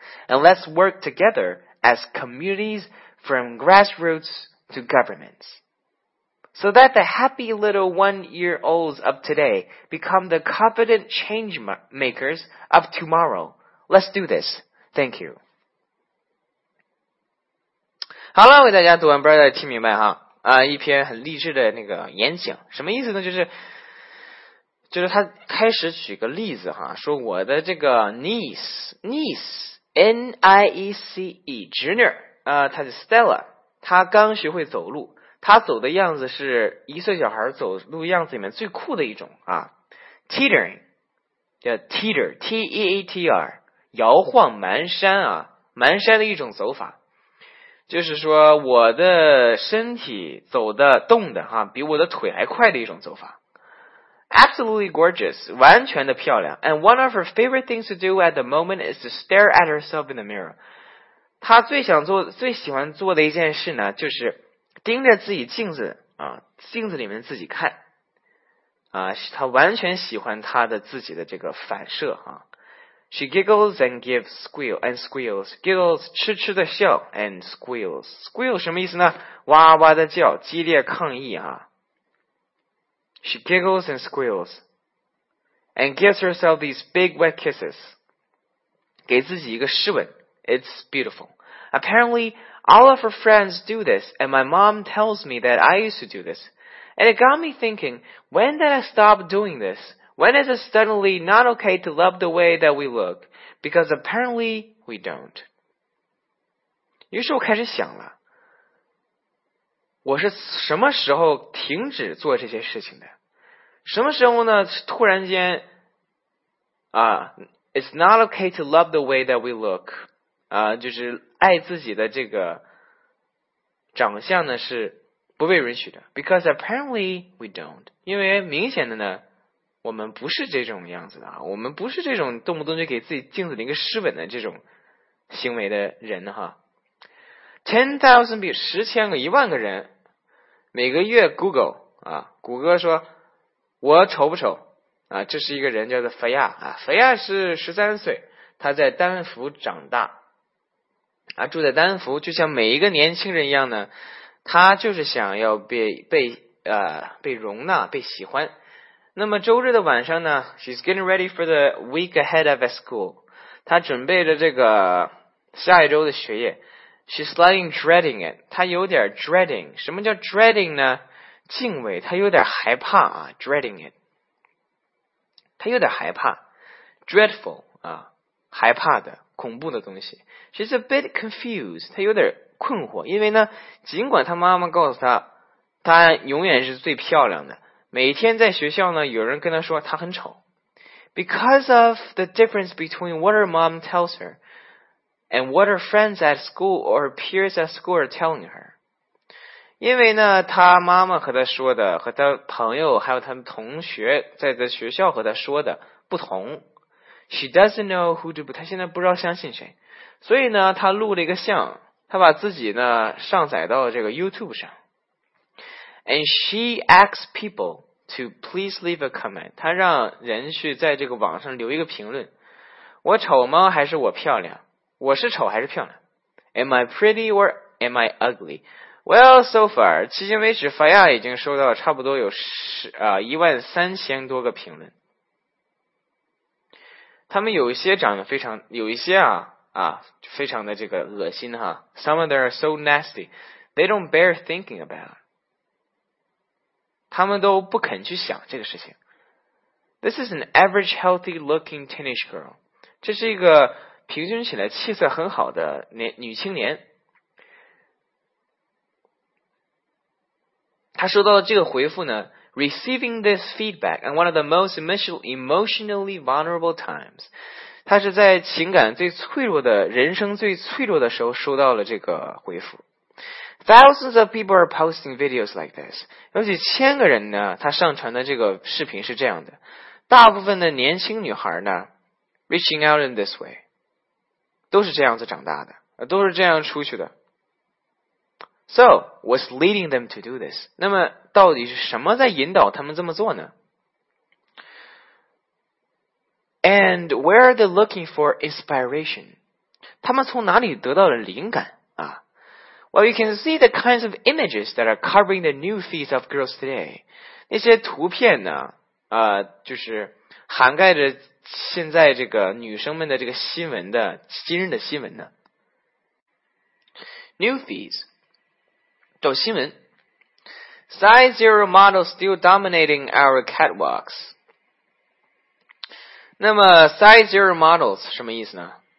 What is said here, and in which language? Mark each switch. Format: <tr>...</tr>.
<en>And let's work together as communities from grassroots to governments, so that the happy little one-year-olds of today become the confident change makers of tomorrow. Let's do this. Thank you. Hello,</en> <zh>为大家读完不知道听明白哈啊，一篇很励志的那个演讲，什么意思呢？就是他开始举个例子哈，说我的这个 niece，N-I-E-C-E， 侄女啊，她是 Stella， 她刚学会走路，她走的样子是一岁小孩走路样子里面最酷的一种啊 ，teetering， 叫 teeter，T-E-A-T-R， 摇晃蹒跚啊，蹒跚的一种走法。就是说我的身体走的动的哈，比我的腿还快的一种走法。</zh> <en>Absolutely gorgeous,</en> <zh>完全的漂亮。</zh> <en>And one of her favorite things to do at the moment is to stare at herself in the mirror.</en> <zh>她最喜欢做的一件事呢，就是盯着自己镜子啊，镜子里面自己看。啊，她完全喜欢她的自己的这个反射啊。</zh> <en>She giggles and gives squeal and squeals. Giggles,</en> <zh>痴痴的笑</zh> <en>and squeals.</en> <zh>Squeal 什么意思呢？哇哇的叫，激烈抗议啊。</zh> <en>She giggles and squeals and gives herself these big wet kisses.</en> <zh>给自己一个湿吻。</zh> <en>It's beautiful. Apparently, all of her friends do this and my mom tells me that I used to do this. And it got me thinking, when did I stop doing this? When is it suddenly not okay to love the way that we look? Because apparently we don't.</en> <zh>于是我开始想了，我是什么时候停止做这些事情的？什么时候呢？突然间，啊</zh> <en>，it's not okay to love the way that we look.</en> <zh>啊，就是爱自己的这个长相呢是不被允许的。</zh> <en>Because apparently we don't.</en> <zh>因为明显的呢。我们不是这种样子的，我们不是这种动不动就给自己镜子里一个湿吻的这种行为的人哈。 10,000 people, 10,000个, 10,000个人, 每个月 Google, 啊, 谷歌说, 我丑不丑, 啊, 这是一个人叫做菲亚, 啊, 菲亚是 13岁, 他在丹佛长大, 啊, 住在丹佛, 就像每一个年轻人一样呢, 他就是想要被容纳, 被喜欢, 那么周日的晚上呢,</zh> <en>she's getting ready for the week ahead of a school,</en> <zh>他准备着这个, 下一周的学业,</zh> <en>she's slightly dreading it,</en> <zh>她有点 dreading, 什么叫 dreading 呢? 敬畏, 她有点害怕, 啊,</zh> <en>dreading it,</en> <zh>她有点害怕, dreadful, 啊, 害怕的, 恐怖的东西,</zh> <en>she's a bit confused,</en> <zh>她有点困惑, 因为呢, 尽管她妈妈告诉她, 她永远是最漂亮的, 每天在学校呢, 有人跟她说她很丑,</zh> <en>because of the difference between what her mom tells her, and what her friends at school or peers at school are telling her.</en> <zh>因为呢, 她妈妈和她说的, 和她朋友, 还有她们同学, 在学校和她说的, 不同,</zh> <en>she doesn't know who to,</en> <zh>她现在不知道相信谁, 所以呢, 她录了一个像, 她把自己呢, 上载到这个YouTube上,</zh> <en>and she asks people to please leave a comment,</en> <zh>她让人去在这个网上留一个评论, 我丑吗? 还是我漂亮?我是丑还是漂亮?</zh> <en>Am I pretty or am I ugly? Well, so far,</en> <zh>迄今为止, Faya 已经收到差不多有 13,000多个评论。他们有一些长得非常的这个恶心哈,</zh> <en>some of them are so nasty, they don't bear thinking about it.</en> <zh>他们都不肯去想这个事情。</zh> <en>This is an average healthy looking teenage girl.</en> <zh>这是一个 平均起来气色很好的女青年，她收到了这个回复呢，</zh> <en>receiving this feedback on one of the most emotionally vulnerable times，</en> <zh>她是在情感最脆弱的人生最脆弱的时候收到了这个回复。</zh> <en>Thousands of people are posting videos like this，</en> <zh>有几千个人呢，她上传的这个视频是这样的，大部分的年轻女孩呢，</zh> <en>reaching out in this way，</en> <zh>都是这样子长大的，都是这样出去的。</zh> <en>So, what's leading them to do this?</en> <zh>那么到底是什么在引导他们这么做呢?</zh> <en>And where are they looking for inspiration?</en> <zh>他们从哪里得到了灵感?</zh> <en>Well, you can see the kinds of images that are covering the new feeds of girls today.</en> <zh>那些图片呢, 就是涵盖着 现在这个女生们的这个新闻的今日的新闻呢 New feeds 找新闻</zh> <en>Size zero model still dominating our catwalks</en> <zh>那么 size zero models 什么意思呢</zh>